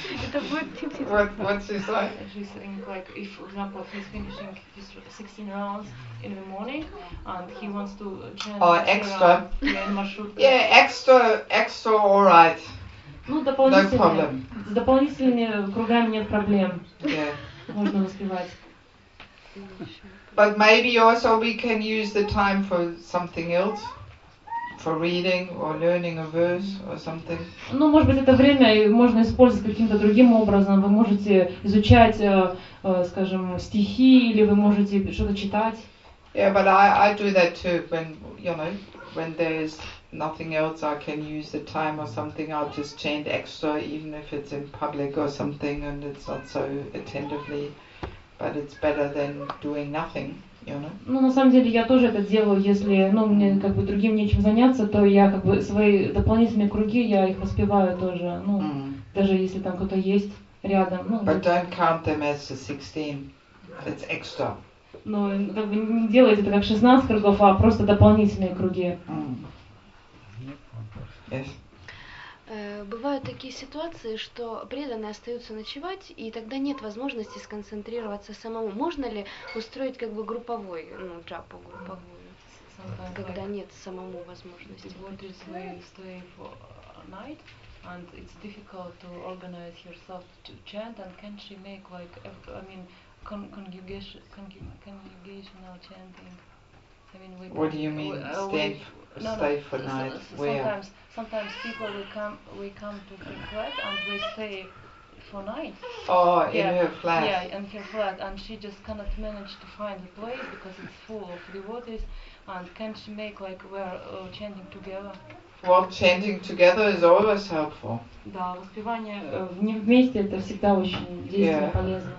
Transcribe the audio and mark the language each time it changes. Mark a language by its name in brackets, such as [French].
[English] She's saying, like, if, for example, he's finishing his 16 rounds in the morning and he wants to chant extra. Extra, all right. [Russian] Ну, с дополнительными кругами нет проблем. Можно успевать. [English] But maybe also we can use the time for something else. For reading or learning a verse or something. [Russian] Ну, может быть, это время можно использовать каким-то другим образом. Вы можете изучать, скажем, стихи, или вы можете что-то читать. [English] Yeah, but I do that too when there's nothing else, I can use the time or something, I'll just chant extra, even if it's in public or something and it's not so attentively, but it's better than doing nothing. [Russian] Ну, на самом деле, я тоже это делаю, если, ну, мне как бы другим нечем заняться, то я как бы свои дополнительные круги, я их воспеваю тоже, ну, даже если там кто-то есть рядом. Ну, [English] but don't count them as 16, it's extra. [Russian] Ну, как бы не делайте это как 16 кругов, а просто дополнительные круги. [English] Yes. [Russian] Бывают такие ситуации, что преданные остаются ночевать, и тогда нет возможности сконцентрироваться самому. Можно ли устроить как бы групповой, ну, джапу групповую, когда нет самому возможности? [English] What is we stay for night, and it's difficult to organize yourself to chant, and can she make like, I mean, congregational chanting? I mean, what do you mean, stay for night? Sometimes people we come to her flat and we stay for night. Oh, yeah. In her flat. Yeah, in her flat, and she just cannot manage to find a place because it's full of devotees. And can she make like we're chanting together? Well, chanting together is always helpful. [Russian] Да, воспевание не вместе это всегда очень действенно полезно.